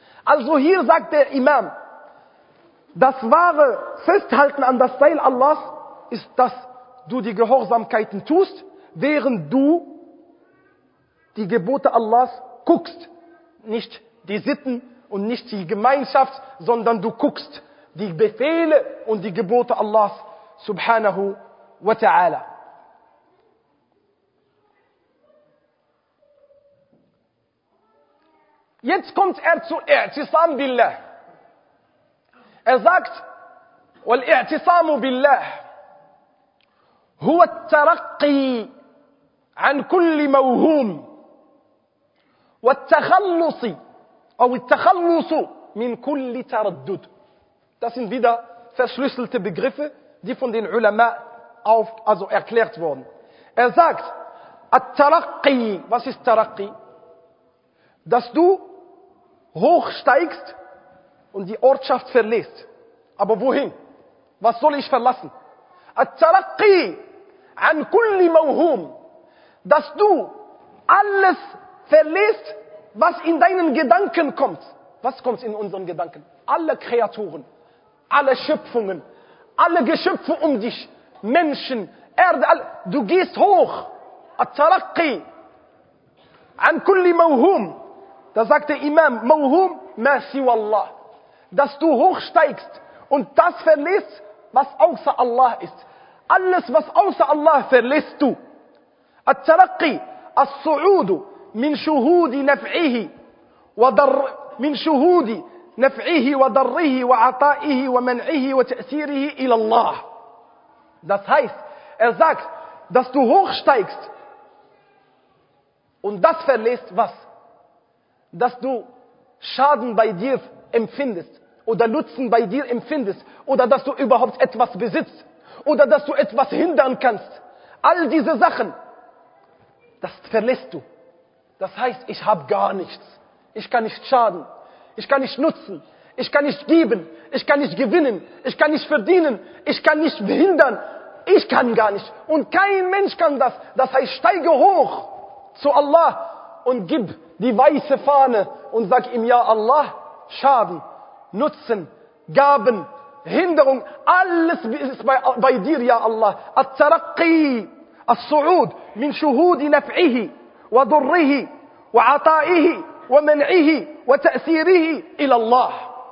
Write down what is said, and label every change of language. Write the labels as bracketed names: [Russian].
[German] Also hier sagt der Imam, das wahre Festhalten an das Seil Allahs ist, dass du die Gehorsamkeiten tust, während du die Gebote Allahs guckst, nicht die Sitten und nicht die Gemeinschaft, sondern du guckst die Befehle und die Gebote Allahs subhanahu wa ta'ala. Jetzt kommt er zu I'tisam billah. Er sagt, [Arabic] والاعتصام بالله هو الترقي عن كل موهوم والتخلص أو التخلص من كل تردد. [German] Das sind wieder verschlüsselte Begriffe, die von den Ulama also erklärt wurden. Er sagt, التراقي, was ist التراقي? Dass du hochsteigst und die Ortschaft verlässt. Aber wohin? Was soll ich verlassen? [Arabic] التراقي عن كل موهوم. [German] Dass du alles verlässt, was in deinen Gedanken kommt. Was kommt in unseren Gedanken? Alle Kreaturen, alle Schöpfungen, alle Geschöpfe um dich, Menschen, Erde, all, du gehst hoch. [Arabic] التراقي عن كل موهوم. [German] Da sagt der Imam, [Arabic] موهوم ما سوى الله. [German] Dass du hochsteigst und das verlässt, was außer Allah ist. Alles, was außer Allah verlässt du. [Arabic] التراقي الصعود من شهود نفعه وضر من شهود نفعه وضره وعطائه ومنعه وتأثيره إلى الله. [German] Das heißt, er sagt, dass du hochsteigst und das verlässt, was? Dass du Schaden bei dir empfindest oder Nutzen bei dir empfindest oder dass du überhaupt etwas besitzt oder dass du etwas hindern kannst. All diese Sachen, das verlässt du. Das heißt, ich habe gar nichts. Ich kann nicht schaden. Ich kann nicht nutzen. Ich kann nicht geben. Ich kann nicht gewinnen. Ich kann nicht verdienen. Ich kann nicht behindern. Ich kann gar nicht. Und kein Mensch kann das. Das heißt, steige hoch zu Allah und gib die weiße Fahne und sag ihm, ja Allah, Schaden, Nutzen, Gaben, Hinderung, alles ist bei dir, ja Allah. [Arabic] At-Taraqqi, As-Su'ud, min shuhudi naf'ihi. وضره وعطائه ومنعه وتأثيره إلى الله.